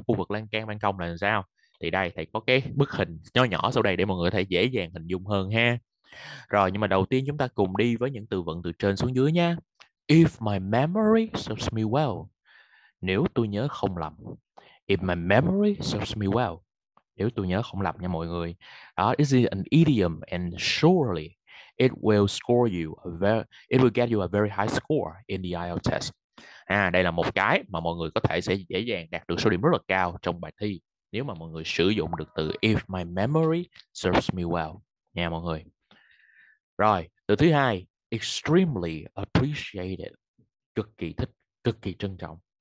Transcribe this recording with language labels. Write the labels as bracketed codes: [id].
[vi] Khu vực lan can ban công là làm sao? Thì đây thầy có cái bức hình nhỏ nhỏ sau đây để mọi người có thể dễ dàng hình dung hơn ha. Rồi, nhưng mà đầu tiên chúng ta cùng đi với những từ vựng từ trên xuống dưới nha. [en] If my memory serves me well. [vi] Nếu tôi nhớ không lầm. [en] If my memory serves me well. [vi] Nếu tôi nhớ không lầm nha mọi người. [en] Đó, this is an idiom and surely it will score you a very, it will get you a very high score in the IELTS test. [vi] Đây là một cái mà mọi người có thể sẽ dễ dàng đạt được số điểm rất là cao trong bài thi nếu mà mọi người sử dụng được từ [en] if my memory serves me well [vi] nha mọi người. Rồi, từ thứ hai, [en] extremely appreciated, [vi] cực kỳ thích, cực kỳ trân trọng.